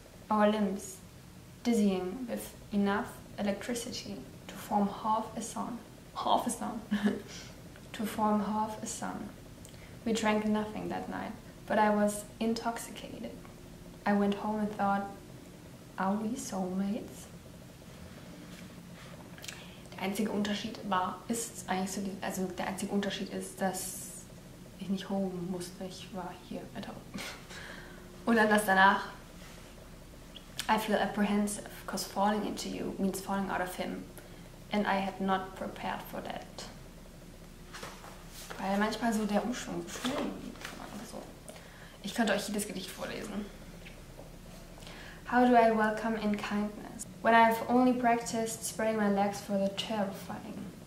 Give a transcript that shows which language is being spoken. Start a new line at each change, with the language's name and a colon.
English: Our limbs, dizzying with enough electricity to form half a sun. Half a sun. To form half a sun. We drank nothing that night, but I was intoxicated. I went home and thought, are we soulmates?
German: Der einzige Unterschied war, ist eigentlich so, also der einzige Unterschied ist, dass ich nicht home musste, ich war hier
English: at home.
German: Und dann das danach.
English: I feel apprehensive, because falling into you means falling out of him. And I had not prepared for that.
German: Weil manchmal so der Umschwung so. Ich könnte euch jedes Gedicht vorlesen.
English: How do I welcome in kindness when I've only practiced spreading my legs for the terrifying?